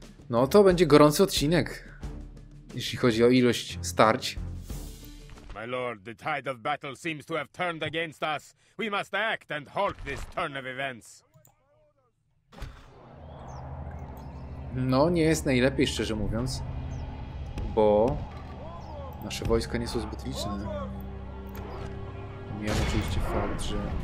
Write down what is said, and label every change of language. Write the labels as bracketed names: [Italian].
[Polish] No to będzie gorący odcinek, jeśli chodzi o ilość starć. [English] My lord, the tide of battle seems to have turned against us. We must act and halt this turn of events. [Polish] No, nie jest najlepiej, szczerze mówiąc. Bo nasze wojska nie są zbyt liczne. Miałem oczywiście fakt, że...